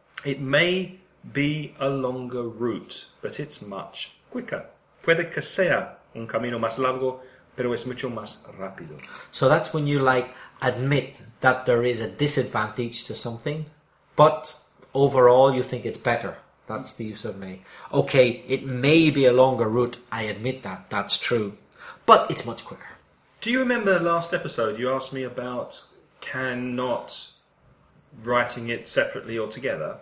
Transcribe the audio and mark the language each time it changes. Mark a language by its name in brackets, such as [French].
[English] It may be a longer route, but it's much quicker. [Spanish] Puede que sea un camino más largo, pero es mucho más rápido. [English] So that's when you like admit that there is a disadvantage to something, but overall you think it's better. That's the use of may. Okay, it may be a longer route. I admit that. That's true. But it's much quicker. Do you remember the last episode you asked me about cannot writing it separately or together?